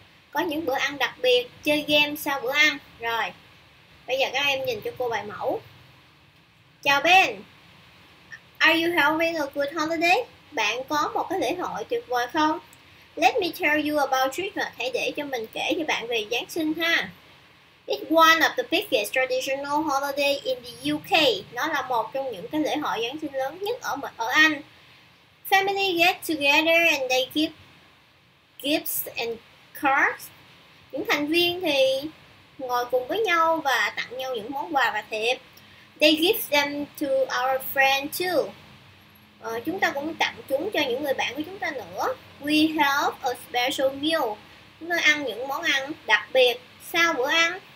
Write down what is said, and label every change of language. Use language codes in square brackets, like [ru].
[vi] Có những bữa ăn đặc biệt, chơi game sau bữa ăn. Rồi, bây giờ các em nhìn cho cô bài mẫu. Chào Ben. [en] Are you having a good holiday? [vi] Bạn có một cái lễ hội tuyệt vời không? [en] Let me tell you about Christmas. [vi] Hãy để cho mình kể cho bạn về Giáng sinh ha. [en] It's one of the biggest traditional holiday in the UK. [vi] Nó là một trong những cái lễ hội Giáng sinh lớn nhất ở Anh. [en] Family get together and they give gifts and cards. [vi] Những thành viên thì ngồi cùng với nhau và tặng nhau những món quà và thiệp. [en] They give them to our friends too. [vi] Chúng ta cũng tặng chúng cho những người bạn của chúng ta nữa. [en] We have a special meal. [vi] Chúng ta ăn những món ăn đặc biệt sau bữa ăn.